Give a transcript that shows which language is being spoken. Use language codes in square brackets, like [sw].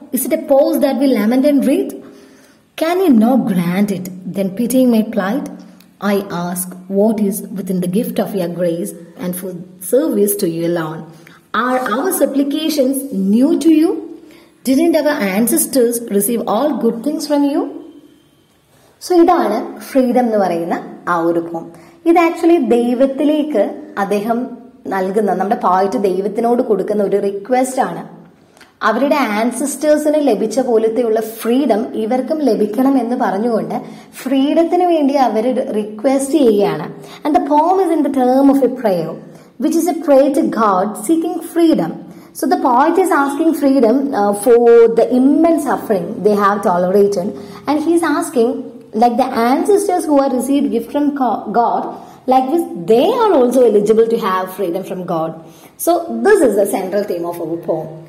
[en] Is it a pulse that we lament and read? Can you not grant it, then pitying my plight? I ask what is within the gift of your grace and for service to you alone. Are our supplications new to you? Didn't our ancestors receive all good things from you? [ml] So ഇതാണ് freedom എന്ന് പറയുന്ന ആ ഒരു പോം. ഇത് actually ദൈവത്തിലേക്ക് അദ്ദേഹം നൽകുന്ന, നമ്മുടെ പോയറ്റ് ദൈവത്തിനോട് കൊടുക്കുന്ന ഒരു റിക്വസ്റ്റ് ആണ്. അവരുടെ ആൻസിസ്റ്റേഴ്സിന് ലഭിച്ച പോലത്തെയുള്ള ഫ്രീഡം ഇവർക്കും ലഭിക്കണം എന്ന് പറഞ്ഞുകൊണ്ട് ഫ്രീഡത്തിന് വേണ്ടി അവർ റിക്വസ്റ്റ് ചെയ്യുകയാണ്. [en] And the poem is in the term of a prayer which is a prayer to God seeking freedom. So the poet is asking freedom for the immense suffering the have tolerated and he's asking like the ancestors who are received gift from God, like this, they are also eligible to have freedom from God. So this is the central theme of our poem.